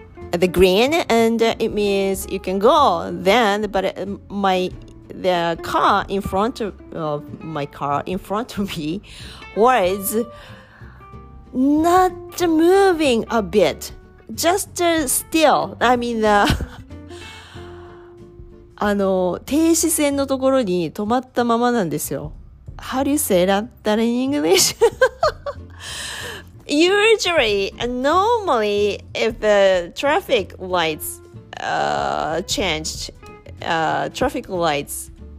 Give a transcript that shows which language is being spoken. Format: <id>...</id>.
<en>the green, and it means you can go then, but the car in front of my car in front of me was not moving a bit, just still. I mean,</en> <ja>あの停止線のところに止まったままなんですよ。</ja> <en>How do you say that in English? Usually, normally, if the traffic lights changed, traffic lights</en>